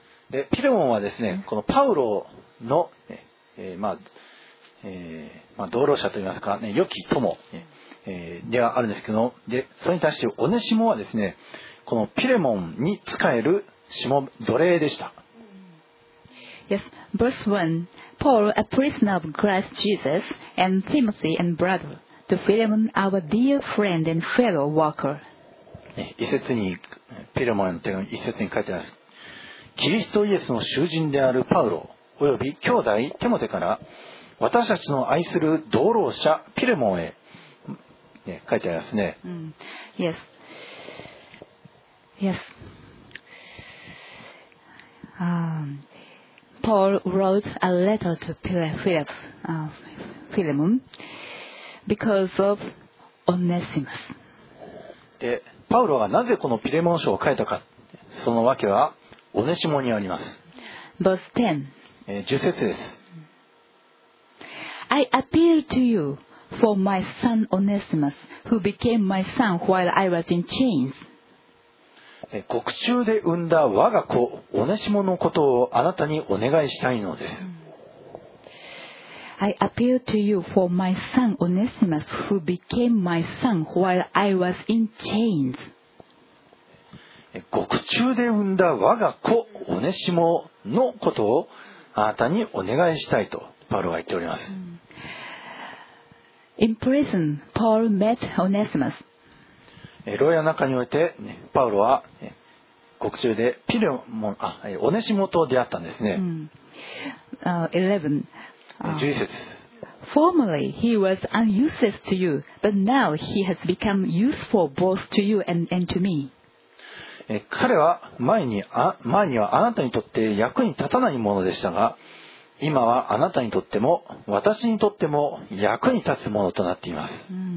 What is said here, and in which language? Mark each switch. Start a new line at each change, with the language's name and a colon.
Japanese: でピレモンはですね、このパウロの、同路者といいますか、ね、良き友、ではあるんですけど、でそれに対してオネシモはですね、このピレモンに仕える奴隷でした。
English: Yes, verse 1. Paul, a prisoner of Christ Jesus, and Timothy and brother, to Philemon, our dear friend and fellow worker.、
Japanese: ね、一節に、ピレモンの手紙、一節に書いてあります。キリストイエスの囚人であるパウロおよび兄弟テモテから私たちの愛する同路者ピレモンへ、ね、書いてありますね。
English: Yes. Yes. Paul wrote a letter to Philemon because of Onesimus.
Japanese: で、パウロがなぜこのピレモン書を書いたか、そのわけはオネシモにあります。
English: Verse
Japanese: 10、10節です。
English: I appeal to you for my son Onesimus, who became my son while I was in chains.
Japanese: 獄中で産んだ我が子オネシモのことをあなたにお願いしたいのです。
English: I appeal to you for my son Onesimus, who became my son while I was in chains.
Japanese: 獄中で産んだ我が子オネシモのことをあなたにお願いしたいとパウロは言っております。
English: In prison, Paul met Onesimus.
Japanese: 牢屋の中においてパウロは獄中でピレモン、オネシモと出会ったんですね。 11節。
English: Formerly he was unuseless to you, but now he has become useful both to you and to me.
Japanese: 彼は前にはあなたにとって役に立たないものでしたが、今はあなたにとっても私にとっても役に立つものとなっています。